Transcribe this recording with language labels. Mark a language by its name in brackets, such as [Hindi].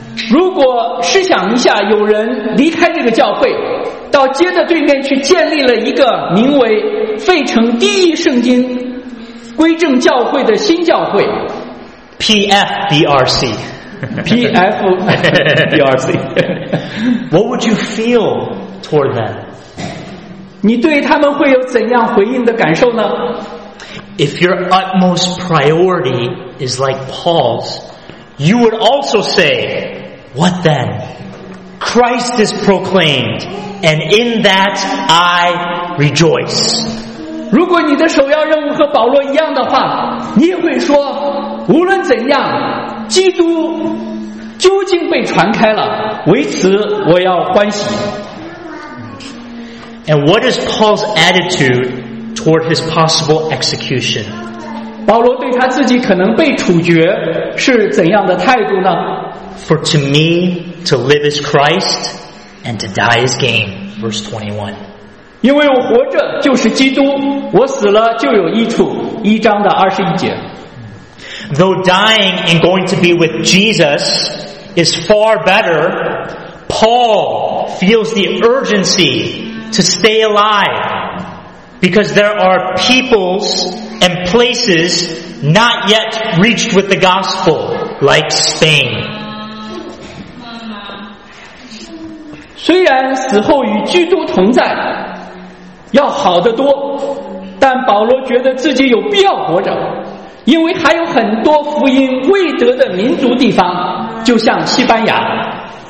[Chinese] 如果试想一下，有人离开这个教会，到街的对面去建立了一个名为费城第一圣经归正教会的新教会 [English] PFDRC PFDRC What would you feel toward them? [Chinese] 你对他们会有怎样回应的感受呢？ [English] If your utmost priority is like Paul's, you would also say, What then? Christ is proclaimed, and in that I rejoice. [Chinese] 如果你的首要任务和保罗一样的话，你也会说，无论怎样，基督究竟被传开了，为此我要欢喜。 [English] And what is Paul's attitude toward his possible execution? [Chinese] 保罗对他自己可能被处决是怎样的态度呢？ [English] For to me to live is Christ and to die is gain, verse 21. [Chinese] 因为我活着就是基督，我死了就有益处，一章的二十一节。 [English] Though dying and going to be with Jesus is far better, Paul feels the urgency to stay alive because there are peoples and places not yet reached with the gospel, like Spain. [Chinese] 虽然死后与基督同在要好得多，但保罗觉得自己有必要活着，因为还有很多福音未得的民族地方，就像西班牙。